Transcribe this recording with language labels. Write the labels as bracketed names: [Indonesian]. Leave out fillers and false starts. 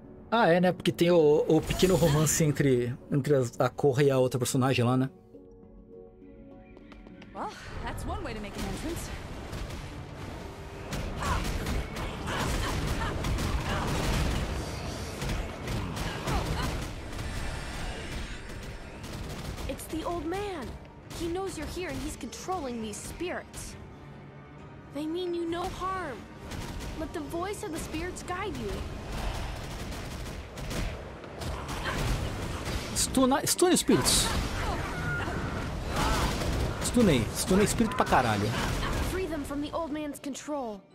[Portuguese] Ah, é, né? Porque tem o pequeno romance entre a Korra e a outra personagem lá, né? [English] Well, that's one way to make an entrance. It's the old man. He knows you're here and he's controlling these spirits. They mean you no harm. Let the voice of the spirits guide you. [Portuguese] Stunei espíritos. Stunei espírito pra caralho. [English] Free them from the old man's control.